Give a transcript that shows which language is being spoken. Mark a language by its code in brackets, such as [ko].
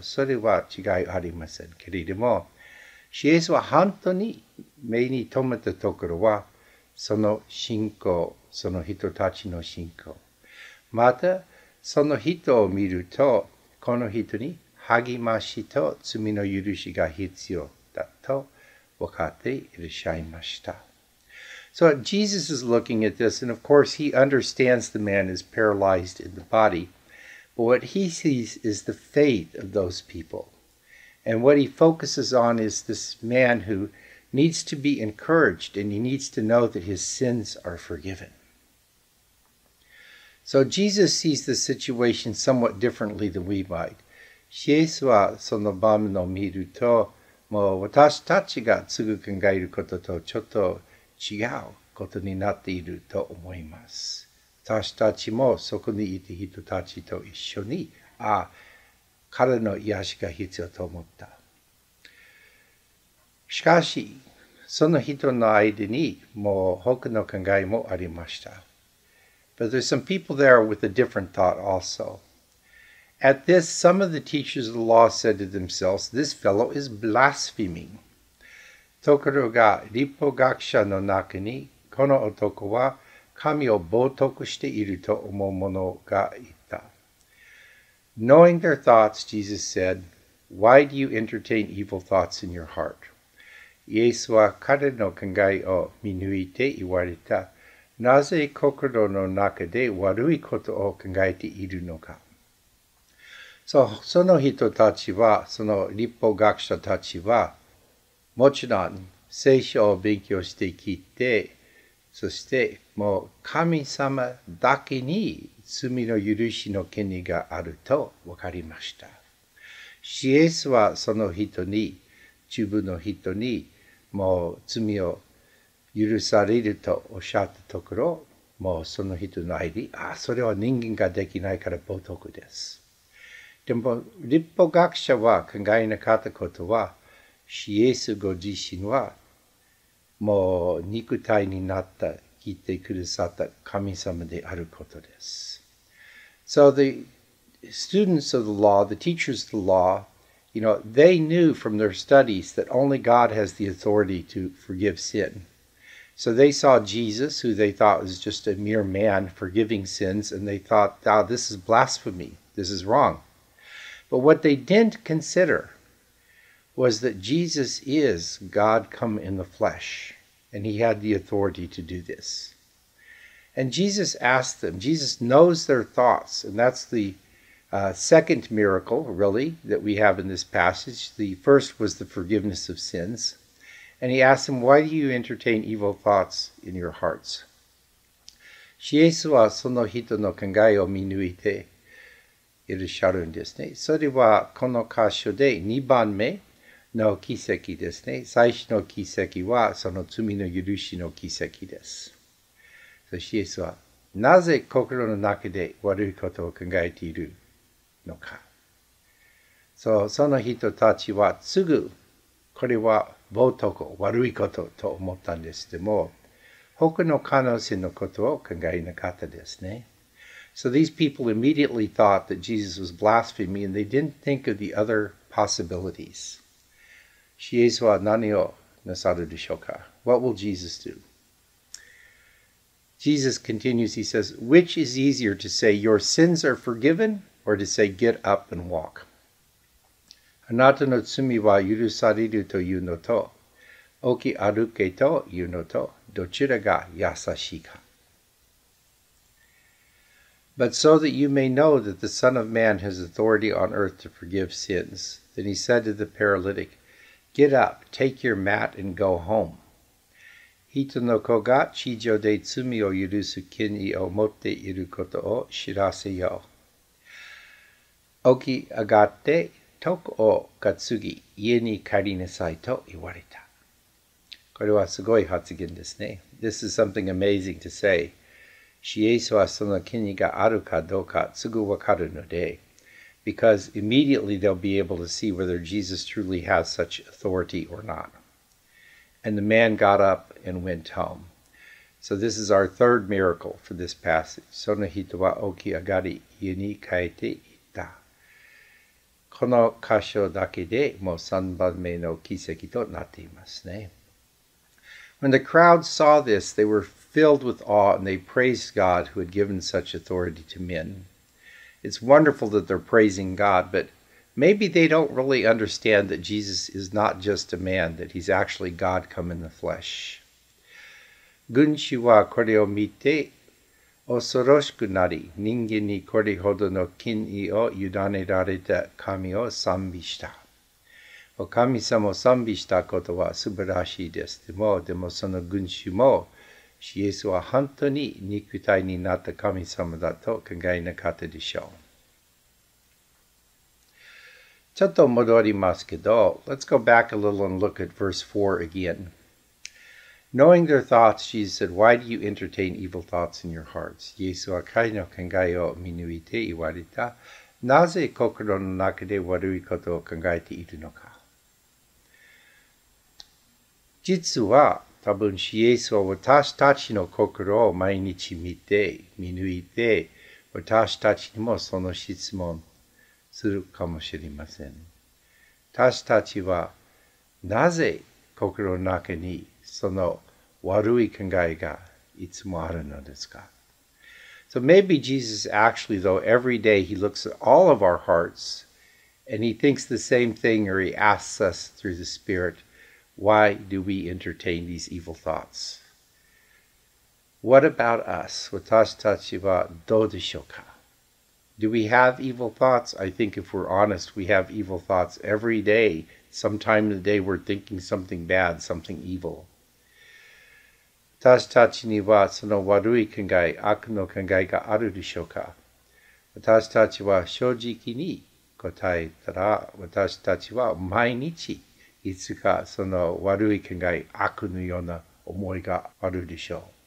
[ja] それは違いありませんけれども、イエスは本当に目に留めたところは、その信仰、その人たちの信仰。また、その人を見ると、この人に励ましと罪の許しが必要だと分かっていらっしゃいました。 [en] So Jesus is looking at this, and of course he understands the man is paralyzed in the body, but what he sees is the faith of those people. And what he focuses on is this man who needs to be encouraged, and he needs to know that his sins are forgiven. So Jesus sees the situation somewhat differently than we might. [ja] イエスはその場面を見ると、もう私たちがすぐ考えることとちょっと違うことになっていると思います。私たちもそこにいた人たちと一緒に、ああ、彼の癒しが必要と思った。しかし、その人の間にもう他の考えもありました。 [en] But there's some people there with a different thought also. At this, some of the teachers of the law said to themselves, this fellow is blaspheming. [ja] ところが、立法学者の中に、この男は神を冒涜していると思う者がいた。 [en] Knowing their thoughts, Jesus said, why do you entertain evil thoughts in your heart? [ja] イエスは彼の考えを見抜いて言われた。なぜ心の中で悪いことを考えているのか。その人たちは、その立法学者たちは、もちろん聖書を勉強してきて、そしてもう神様だけに罪の許しの権利があると分かりました。イエスはその人に、中部の人に、もう罪を許されるとおっしゃったところ、もうその人の間に、それは人間ができないから冒涜です。でも、立法学者は考えなかったことは、イエスご自身は、もう肉体になった、来てくださった神様であることです。 [en] So the students of the law, the teachers of the law, you know, they knew from their studies that only God has the authority to forgive sin. So they saw Jesus, who they thought was just a mere man, forgiving sins, and they thought, oh, this is blasphemy, this is wrong. But what they didn't consider was that Jesus is God come in the flesh, and he had the authority to do this. And Jesus asked them, Jesus knows their thoughts, and that's the second miracle, really, that we have in this passage. The first was the forgiveness of sins. And he asked them, why do you entertain evil thoughts in your hearts? [ja] イエスはその人の考えを見抜いて、いらっしゃるんですね。それはこの箇所で2番目の奇跡ですね。最初の奇跡はその罪の許しの奇跡です。そしてイエスはなぜ心の中で悪いことを考えているのか。その人たちはすぐこれは冒涜悪いことと思ったんですけども、他の可能性のことを考えなかったですね。 [en] So these people immediately thought that Jesus was blaspheming, and they didn't think of the other possibilities. [ja] イエスは何をなさるでしょうか? [en] What will Jesus do? Jesus continues, he says, which is easier to say, your sins are forgiven, or to say, get up and walk? [ja] あなたの罪は許されるというのと、起き歩けというのと、どちらが優しいか。 [en] But so that you may know that the Son of Man has authority on earth to forgive sins, then he said to the paralytic, Get up, take your mat, and go home. [ja] 人の子が地上で罪を許す権威を持っていることを知らせよう。起き上がって床を担ぎ家に帰りなさいと言われた。これはすごい発言ですね。 [en] This is something amazing to say. [ja] シエスはその権威があるかどうかすぐわかるので、 [en] because immediately they'll be able to see whether Jesus truly has such authority or not. And the man got up and went home. So this is our third miracle for this passage. [ja] その人は起き上がり家に帰っていった。この箇所だけでもう三番目の奇跡となっていますね。 [en] When the crowd saw this, they were filled with awe and they praised God who had given such authority to men. It's wonderful that they're praising God, butMaybe they don't really understand that Jesus is not just a man, that he's actually God come in the flesh. [ja] 群衆はこれを見て恐ろしくなり、人間にこれほどの権威を委ねられた神を賛美した。お神様を賛美したことは素晴らしいです。でもその群衆も、イエスは本当に肉体になった神様だと考えなかったでしょう。ちょっと戻りますけど、 [en] Let's go back a little and look at verse 4 again. Knowing their thoughts, Jesus said, Why do you entertain evil thoughts in your hearts? [ja] イエスは彼の考えを見抜いて言われた。なぜ心の中で悪いことを考えているのか。実は、多分イエスは私たちの心を毎日見て、見抜いて、私たちにもその質問、するかもしれません。私たちはなぜ心の中にその悪い考えがいつもあるのですか? [en] So maybe Jesus actually though every day he looks at all of our hearts and he thinks the same thing or he asks us through the Spirit, why do we entertain these evil thoughts? What about us? [ja] 私たちはどうでしょうか? [en] Do we have evil thoughts? I think if we're honest, we have evil thoughts every day. Sometime in the day we're thinking something bad, something evil. [ja] 私たちにはその悪い考え、悪の考えがあるでしょうか? 私たちは正直に答えたら、私たちは毎日いつかその悪い考え、悪のような思いがあるでしょう。